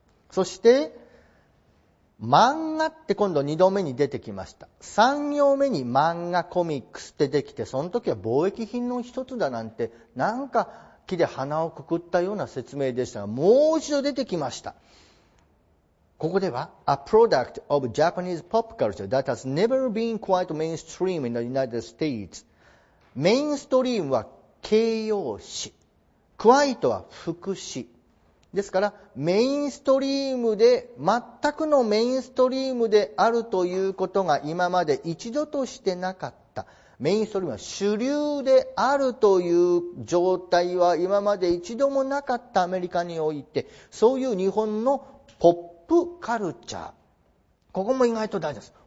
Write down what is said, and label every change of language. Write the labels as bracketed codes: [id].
[ja] そして漫画って今度2度目に出てきました。 3行目に漫画コミックスって出てきて、その時は貿易品の一つだなんてなんか木で鼻をくくったような説明でしたが、もう一度出てきました。ここでは [en] A product of Japanese pop culture that has never been quite mainstream in the United States. [ja] メインストリームは形容詞、 quite は副詞ですから、メインストリームで、全くのメインストリームであるということが今まで一度としてなかった。メインストリームは主流であるという状態は今まで一度もなかったアメリカにおいて、そういう日本のポップカルチャー、ここも意外と大事です。